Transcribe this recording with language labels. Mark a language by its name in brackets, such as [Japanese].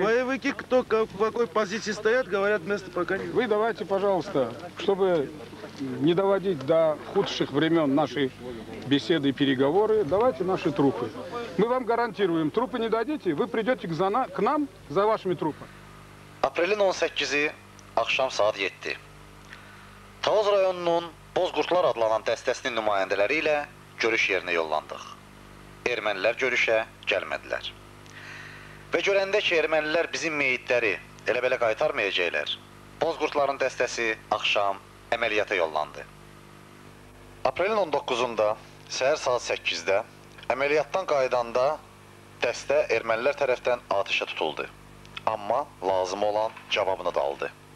[Russian] Боевики кто в какой позиции стоят, говорят, места пока нет. Вы давайте, пожалуйста, чтобы не доводить до худших времен нашей беседы и переговоры, давайте наши трупы. Мы вам гарантируем, трупы не дадите, вы придете к нам за вашими трупами. [Azerbaijani] Aprelin 18-i, axşam saat 7. Tağız rayonunun Bozqurtlar adlanan dəstəsinin nümayəndələri ilə görüş yerinə yollandıq. Ermənilər görüşə gəlmədilər. Və görəndə ki, ermənilər bizim meyitləri elə-belə qaytarmayacaqlar, Bozqurtların dəstəsi axşam əməliyyata yollandı. Aprelin 19-unda Səhər saat 8-də əməliyyatdan qayıdanda dəstə ermənilər tərəfdən atışa tutuldu. Amma lazım olan cavabını da aldı.